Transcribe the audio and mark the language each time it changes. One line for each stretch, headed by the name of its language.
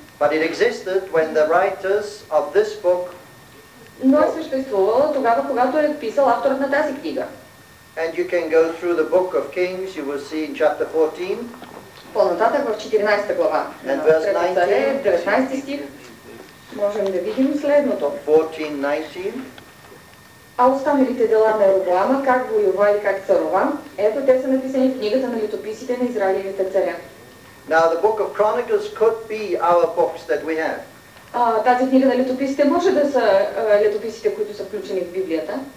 English: But it existed when the writers of this book.
Bulgarian: Но е съществувала тогава, когато е писал авторът на тази книга.
English: And you can go through the book of Kings, you will see in chapter 14.
Bulgarian: По-нататък в 14 глава.
English: And verse 19.
Bulgarian: 19 стих. Можем да видим следното.
English: 14:19.
Bulgarian: А останалите дела на Робоама, как воюва и как царува, ето те са написани в книгата на летописите на Израилевите царя.
English: Now the book of Chronicles could be our books that we have.
Bulgarian: Тази книга на летописите може да са летописите, които са включени в Библията.